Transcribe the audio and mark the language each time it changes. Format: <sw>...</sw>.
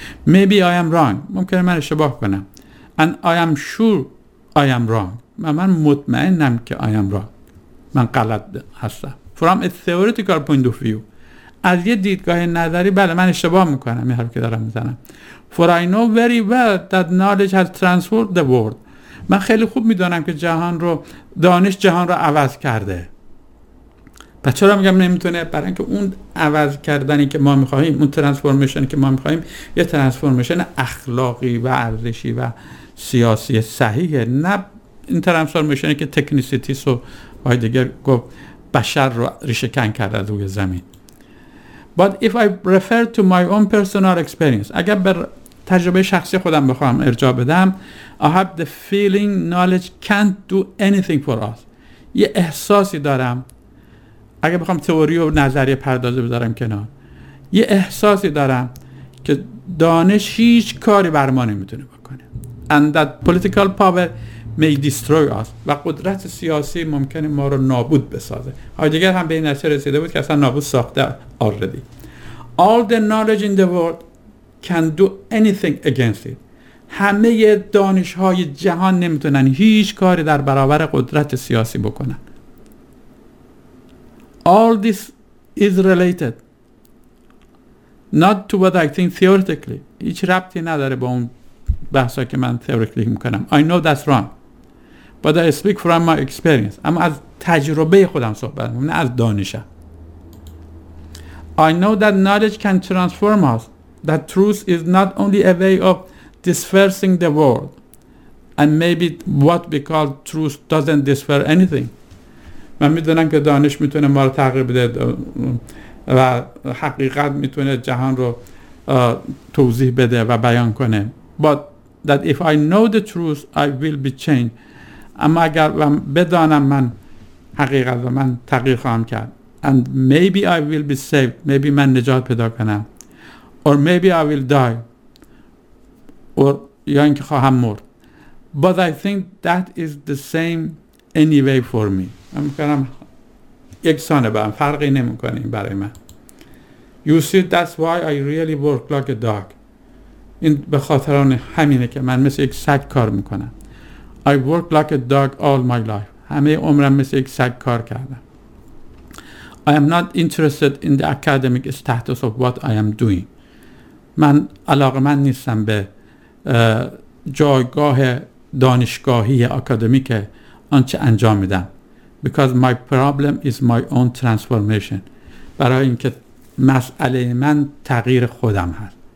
<en>Maybe I am wrong.</en> <fa>ممکنه من اشتباه کنم.</fa> <en>And I am sure I am wrong.</en> <fa>من مطمئنم که</fa> <en>I am wrong.</en> <fa>من غلط هستم.</fa> <en>From a theoretical point of view.</en> <fa>از یه دیدگاه نظری بله من اشتباه میکنم، این حرف که دارم میزنم.</fa> <en>For I know very well that knowledge has transformed the world.</en> <fa>من خیلی خوب میدونم که جهان رو، دانش جهان رو عوض کرده. پس چرا میگم نمیتونه؟ برای اینکه اون عوض کردنی که ما میخواهیم، اون ترانسفورمیشنی که ما میخواهیم، یه ترانسفورمیشن اخلاقی و ارزشی و سیاسی صحیحه، نه این ترانسفورمیشنی که تکنیسیتیس و هایدگر گفت بشر رو ریشه‌کن کرده روی زمین.</fa> <en>But if I refer to my own personal experience,</en> <fa>اگر به تجربه شخصی خودم بخوام ارجاع بدم،</fa> <en>I have the feeling knowledge can't do anything for us.</en> <fa>یه احساسی دارم، اگر بخوام تئوری و نظریه پردازه بذارم کنار، یه احساسی دارم که دانش هیچ کاری بر ما نمیتونه بکنه.</fa> <en>And that political power may destroy us.</en> <fa>و قدرت سیاسی ممکنه ما رو نابود بسازه. هایدگر هم به این نتیجه رسیده بود که اصلا نابود ساخته already.</fa> <en>All the knowledge in the world can do anything against it.</en> <fa>همه دانش های جهان نمیتونن هیچ کاری در برابر قدرت سیاسی بکنن.</fa> <en>All this is related not to what I think theoretically.</en> <fa>هیچ ربطی نداره با اون بحثا که من theoretically میکنم.</fa> <en>I know that's wrong, but I speak from my experience.</en> <fa>اما از تجربه خودم صحبت میکنم، نه از دانشم.</fa> <en>I know that knowledge can transform us, that truth is not only a way of dispersing the world, and maybe what we call truth doesn't disperse anything.</en> <fa>من میدونم که دانش میتونه ما رو تغییر بده و حقیقت میتونه جهان رو توضیح بده و بیان کنه.</fa> <en>But that if I know the truth, I will be changed.</en> <fa>اما اگر بدانم من حقیقت و من تغییر خواهم کرد.</fa> <en>And maybe I will be saved. Maybe</en> <fa>من نجات پیدا کنم.</fa> <en>Or maybe I will die. Or</en> <fa>یا اینکه خواهم مرد.</fa> <en>But I think that is the same anyway for me.</en> <fa>من میکنم یک سانه با هم فرقی نمی کنه این برای من.</fa> <en>You see, that's why I really work like a dog.</en> <fa>این به خاطر آن همینه که من مثل یک سگ کار میکنم.</fa> <en>I work like a dog all my life.</en> <fa>همه عمرم مثل یک سگ کار کردم.</fa> <en>I am not interested in the academic status of what I am doing.</en> <fa>من علاقه من نیستم به جایگاه دانشگاهی اکادمیک آنچه انجام میدم.</fa> <en>Because my problem is my own transformation.</en> <fa>برای اینکه مسئله من تغییر خودم هست.</fa>